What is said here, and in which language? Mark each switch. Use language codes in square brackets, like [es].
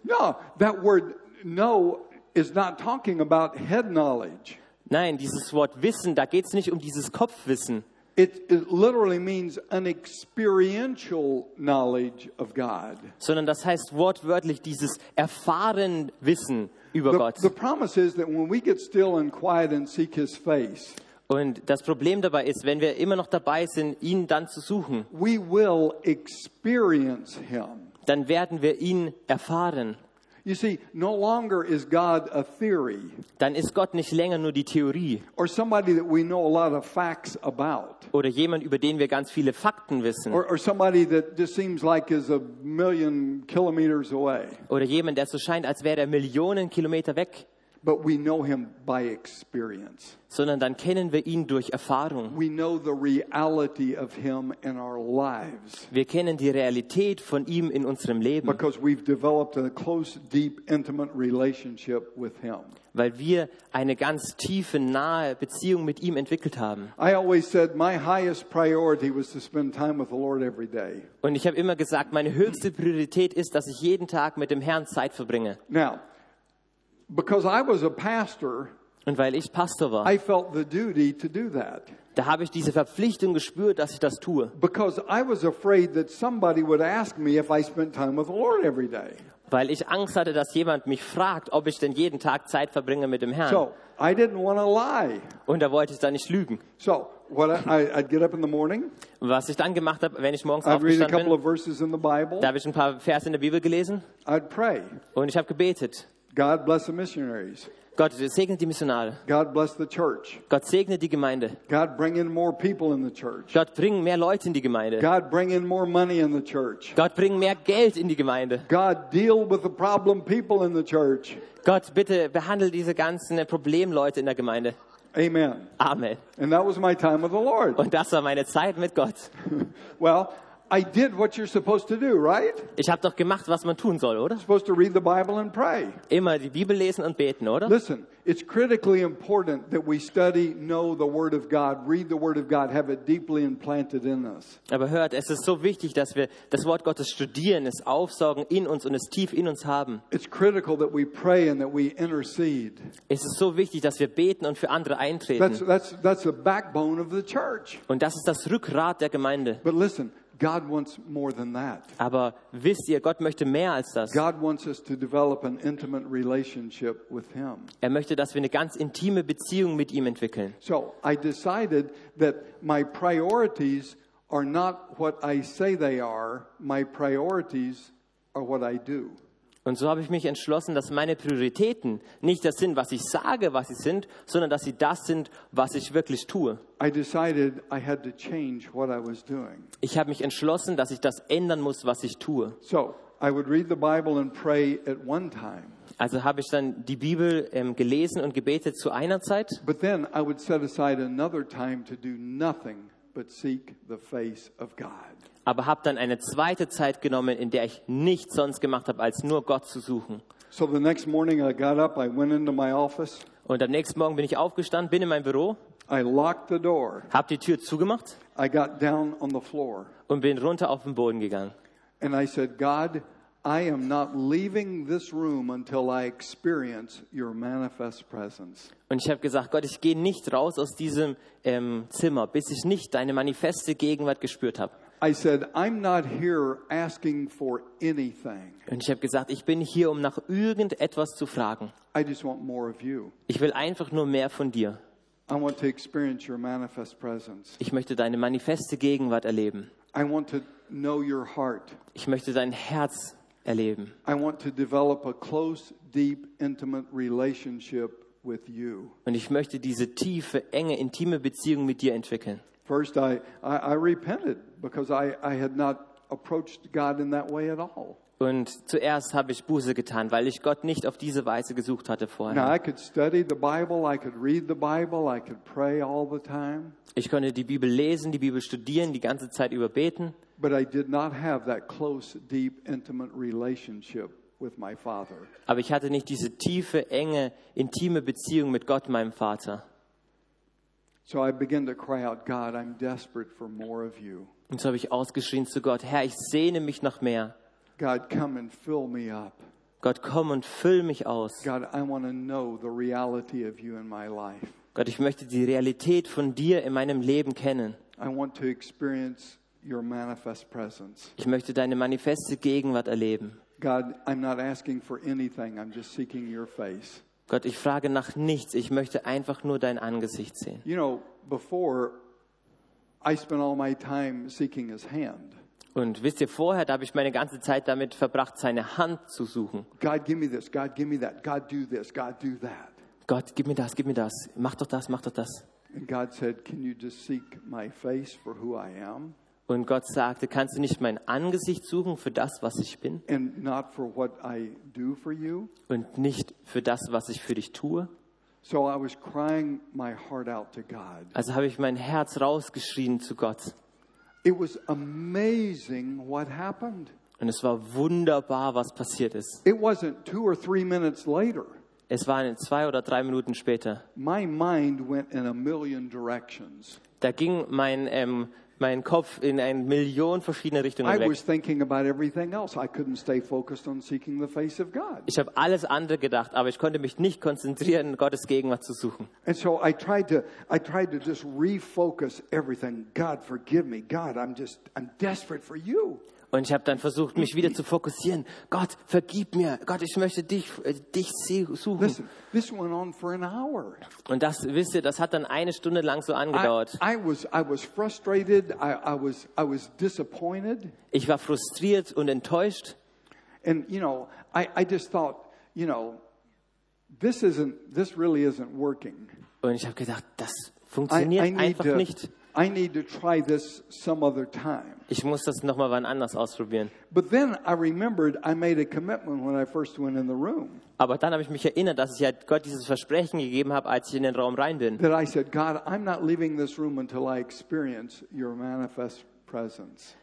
[en] No, that word know is not talking about head knowledge. [de] Nein, dieses Wort Wissen, da geht es nicht um dieses Kopfwissen. [en] It literally means an experiential knowledge of God. [de] Sondern das heißt wortwörtlich dieses erfahren Wissen über Gott. [en] The promise is that when we get still and quiet and seek his face. [de] Und das Problem dabei ist, wenn wir immer noch dabei sind, ihn dann zu suchen. [en] We will experience him. [de] Dann werden wir ihn erfahren. [en] You see, no longer is God a theory. [de] Dann ist Gott nicht länger nur die Theorie. [en] Or somebody that we know a lot of facts about. [de] Oder jemand, über den wir ganz viele Fakten wissen. [en] Or somebody that just seems like is a million kilometers away. [de] Oder jemand, der so scheint, als wäre er Millionen Kilometer weg. [en] But we know him by experience. [de] Sondern dann kennen wir ihn durch Erfahrung. [en] We know the reality of him in our lives. [de] Wir kennen die Realität von ihm in unserem Leben. [en] Because we've developed a close, deep, intimate relationship with him. [de] Weil wir eine ganz tiefe, nahe Beziehung mit ihm entwickelt haben. [en] I always said my highest priority was to spend time with the Lord every day. [de] Und ich habe immer gesagt, meine höchste Priorität ist, dass ich jeden Tag mit dem Herrn Zeit verbringe. [en] Now, because I was a pastor, [de] und weil ich Pastor war, [en] I felt the duty to do that. [de] Da habe ich diese Verpflichtung gespürt, dass ich das tue. [en] Because I was afraid that somebody would ask me if I spent time with the Lord every day. [de] Weil ich Angst hatte, dass jemand mich fragt, ob ich denn jeden Tag Zeit verbringe mit dem Herrn. [en] So, I didn't want to lie. [de] Und da wollte ich dann nicht lügen. [en] So, what I'd get up in the morning. [de] Was ich dann gemacht habe, wenn ich morgens aufgestanden bin. [en] I'd read a couple of verses in the Bible. [de] Da habe ich ein paar Verse in der Bibel gelesen. [en] I'd pray. [de] Und ich habe gebetet. [en] God bless the missionaries. [de] Gott segne die Missionare. [en] God bless the church. [de] Gott segne die Gemeinde. [en] God bring in more people in the church. [de] Gott bring mehr Leute in die Gemeinde. [en] God bring in more money in the church. [de] Gott bring mehr Geld in die Gemeinde. [en] God deal with the problem people in the church. [de] Gott bitte behandle diese ganzen Problemleute in der Gemeinde. Amen. Amen. [en] And that was my time with the Lord. [de] Und das war meine Zeit mit Gott. [en] Well, I did what you're supposed to do, right? [de] Ich habe doch gemacht, was man tun soll, oder? [en] Supposed to read the Bible and pray. [de] Immer die Bibel lesen und beten, oder? [en] Listen, it's critically important that we study, know the Word of God, read the Word of God, have it deeply implanted in us. [de] Aber hört, es ist so wichtig, dass wir das Wort Gottes studieren, es aufsaugen in uns und es tief in uns haben. [en] It's critical that we pray and that we intercede. [de] Es ist so wichtig, dass wir beten und für andere eintreten. [en] That's the backbone of the church. [de] Und das ist das Rückgrat der Gemeinde. [en] But listen. God wants more than that. [de] Aber wisst ihr, Gott möchte mehr als das. [en] God wants us to develop an intimate relationship with Him. [de] Er möchte, dass wir eine ganz intime Beziehung mit ihm entwickeln. [en] So, I decided that my priorities are not what I say they are. My priorities are what I do. [de] Und so habe ich mich entschlossen, dass meine Prioritäten nicht das sind, was ich sage, was sie sind, sondern dass sie das sind, was ich wirklich tue. [en] I decided I had to change what I was doing. [de] Ich habe mich entschlossen, dass ich das ändern muss, was ich tue. [en] So, I would read the Bible and pray at one time. [de] Also habe ich dann die Bibel gelesen und gebetet zu einer Zeit. [en] But then I would set aside another time to do nothing but seek the face of God. [de] Aber habe dann eine zweite Zeit genommen, in der ich nichts sonst gemacht habe, als nur Gott zu suchen. [en] So the next morning I got up, I went into my office. [de] Und am nächsten Morgen bin ich aufgestanden, bin in mein Büro. [en] I locked the door. [de] Habe die Tür zugemacht. [en] I got down on the floor. [de] Und bin runter auf den Boden gegangen. [en] And I said, God, I am not leaving this room until I experience your manifest presence. [de] Und ich habe gesagt, Gott, ich gehe nicht raus aus diesem Zimmer, bis ich nicht deine manifeste Gegenwart gespürt habe. [en] I said, I'm not here asking for anything. [de] Und ich habe gesagt, ich bin hier, um nach irgendetwas zu fragen. [en] I just want more of you. [de] Ich will einfach nur mehr von dir. [en] I want to experience your manifest presence. [de] Ich möchte deine manifeste Gegenwart erleben. [en] I want to know your heart. [de] Ich möchte dein Herz erleben. [en] I want to develop a close, deep, intimate relationship with you. [de] Und ich möchte diese tiefe, enge, intime Beziehung mit dir entwickeln. [en] First, I repented because I had not approached God in that way at all. [de] Und zuerst habe ich Buße getan, weil ich Gott nicht auf diese Weise gesucht hatte vorher. [en] Now, I could study the Bible, I could read the Bible, I could pray all the time. [de] Ich konnte die Bibel lesen, die Bibel studieren, die ganze Zeit über beten. [en] But I did not have that close, deep, intimate relationship with my Father. [de] Aber ich hatte nicht diese tiefe, enge, intime Beziehung mit Gott, meinem Vater. [en] So I began to cry out, God, I'm desperate for more of you. [de] Und so habe ich ausgeschrien zu Gott, Herr, ich sehne mich nach mehr. [en] God, come and fill me up. [de] Gott, komm und füll mich aus. [en] God, I want to know the reality of you in my life. [de] Gott, ich möchte die Realität von dir in meinem Leben kennen. [en] I want to experience your manifest presence. [de] Ich möchte deine manifeste Gegenwart erleben. [en] God, I'm not asking for anything. I'm just seeking your face. [de] Gott, ich frage nach nichts. Ich möchte einfach nur dein Angesicht sehen. [en] You know, before I spent all my time seeking his hand. [de] Und wisst ihr, vorher, da habe ich meine ganze Zeit damit verbracht, seine Hand zu suchen. [en] God, give me this. God, give me that. God, do this. God, do that. [de] Gott, gib mir das, gib mir das. Mach doch das, mach doch das. [en] And God said, can you just seek my face for who I am? [de] Und Gott sagte, kannst du nicht mein Angesicht suchen für das, was ich bin? [en] And not for what I do for you? [de] Und nicht für das, was ich für dich tue? [en] So I was crying my heart out to God. [de] Also habe ich mein Herz rausgeschrien zu Gott. [en] It was amazing what happened. [de] Und es war wunderbar, was passiert ist. [en] It wasn't two or three minutes later. [de] Es waren zwei oder drei Minuten später. [en] My mind went in a million directions. [de] Da ging mein Kopf in eine Million verschiedene Richtungen weg. [en] I was thinking about everything else. I couldn't stay focused on seeking the face of God. [de] Ich habe alles andere gedacht, aber ich konnte mich nicht konzentrieren, Gottes Gegenwart zu suchen. [en] And so I tried to just refocus everything. God, forgive me. God, I'm desperate for you. [de] Und ich habe dann versucht, mich wieder zu fokussieren. Gott, vergib mir. Gott, ich möchte dich suchen. [en] Listen, this went on for an hour. [de] Und das, wisst ihr, das hat dann eine Stunde lang so angedauert. [en] I was frustrated. I was disappointed. [de] Ich war frustriert und enttäuscht. [en] And you know, I just thought, you know, this really isn't working. [de] Und ich habe gedacht, das funktioniert einfach nicht. [en] I need to try this some other time. [de] Ich muss das noch mal wann anders ausprobieren. [en] But then I remembered I made a commitment when I first went in the room. [de] Aber dann habe ich mich erinnert, dass ich halt Gott dieses Versprechen gegeben habe, als ich in den Raum rein bin. [en] That I said, God, I'm not leaving this room until I experience your manifest presence.